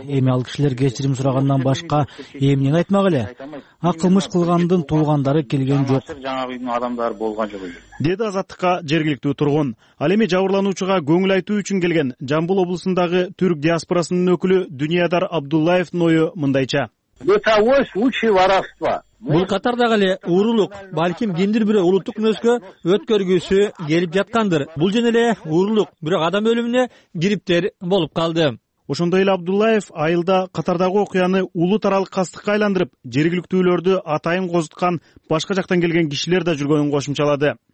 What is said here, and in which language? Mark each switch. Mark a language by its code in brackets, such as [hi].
[ky] Эми ал кишилер кечирим сурагандан башка эмнени айтмак эле? Кылмыш кылгандын туугандары келген жок. Жаңагы үйдүн адамдары болгон жок. Деди Азаттыкка жергиликтүү тургун. Ал эми жабырлануучуга көңүл айтуу үчүн келген Жамбыл облусундагы түрк диаспорасынын өкүлү Дүниядар Абдуллаевдин ою мындайча. [ru] Бытовой случай воровства. [ky] Бул катардагы эле уурулук, балким кимдир бирөө улуттук мүнөзгө өткөргүсү келип жаткандыр. Бул жөн эле уурулук, бирок адам өлүмүнө кириптер болуп калды. Ошондой эле Абдуллаев айылда катардагы окуяны улут аралык кастыкка айландырып, жергиликтүүлөрдү атайын козуткан башка жактан келген кишилер да жүргөнүн кошумчалады.